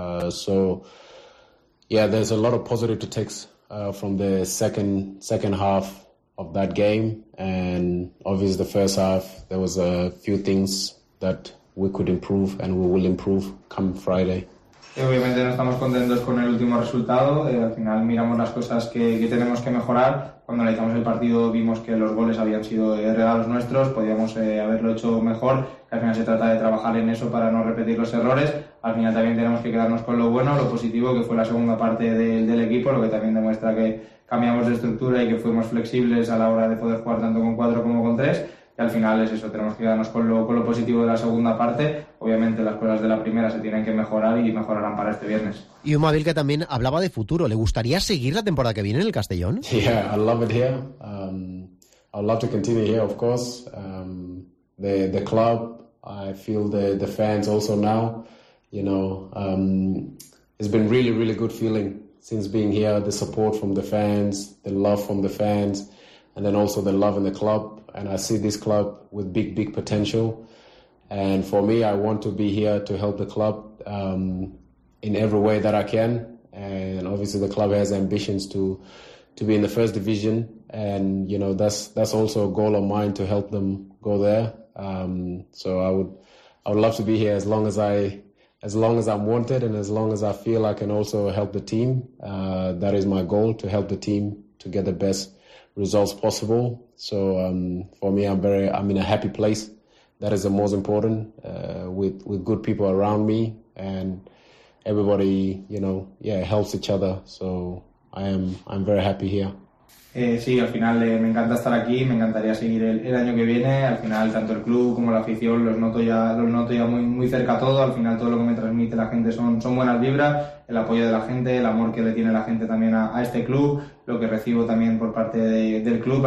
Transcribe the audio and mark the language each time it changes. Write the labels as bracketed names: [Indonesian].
[English] So yeah, there's a lot of positive to take from the second half of that game, and obviously the first half there was a few things that we could improve and we will improve come Friday. [Spanish] Obviamente no estamos contentos con el último resultado. Al final miramos las cosas que tenemos que mejorar. Cuando analizamos el partido vimos que los goles habían sido regalos nuestros, podíamos haberlo hecho mejor. Al final se trata de trabajar en eso para no repetir los errores. Al final también tenemos que quedarnos con lo bueno, lo positivo, que fue la segunda parte del equipo, lo que también demuestra que cambiamos de estructura y que fuimos flexibles a la hora de poder jugar tanto con cuatro como con tres. Y al final es eso, tenemos que quedarnos con lo positivo de la segunda parte. Obviamente las cosas de la primera se tienen que mejorar y mejorarán para este viernes. Y un Mavil que también hablaba de futuro. ¿Le gustaría seguir la temporada que viene en el Castellón? [English] Yeah, I love it here. I'd love to continue here, of course. The club, I feel the fans also now. You know, it's been really, really good feeling since being here. The support from the fans, the love from the fans, and then also the love in the club. And I see this club with big, big potential. And for me, I want to be here to help the club in every way that I can. And obviously, the club has ambitions to be in the first division. And, you know, that's also a goal of mine, to help them go there. So I would love to be here as long as I'm wanted, and as long as I feel I can also help the team. That is my goal, to help the team to get the best results possible. So for me, I'm in a happy place. That is the most important, with good people around me, and everybody, you know, yeah, helps each other. So I'm very happy here. [Spanish] Sí, al final me encanta estar aquí, me encantaría seguir el año que viene. Al final tanto el club como la afición los noto ya muy, muy cerca a todo. Al final todo lo que me transmite la gente son buenas vibras, el apoyo de la gente, el amor que le tiene la gente también a este club, lo que recibo también por parte del club.